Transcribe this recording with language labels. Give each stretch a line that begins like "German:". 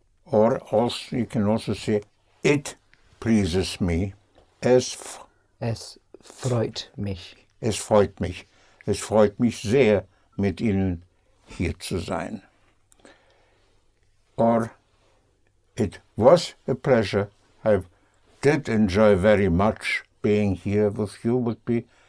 English: Or also, you can also say, it pleases me.
German: Es freut mich. Es freut mich. Es freut mich sehr, mit Ihnen hier zu sein.
English: Or, it was a pleasure. I did enjoy very much being here with you, would be,